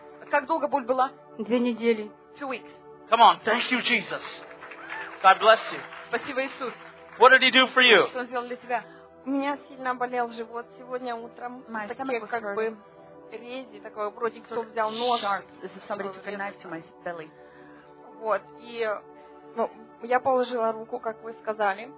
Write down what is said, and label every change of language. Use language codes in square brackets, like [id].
[ru] Как долго боль была? 2 недели. [en] 2 weeks. Come on, thank you, Jesus. God bless you. [ru] Спасибо, Иисус. [en] What did he do for you? Что он сделал для тебя? [ru] У меня сильно болел живот сегодня утром. [en] My stomach [ru] как бы рези, такой вроде кто взял нож. [en] This is somebody took a knife to my belly. [ru] Вот, и я положила руку, как вы сказали.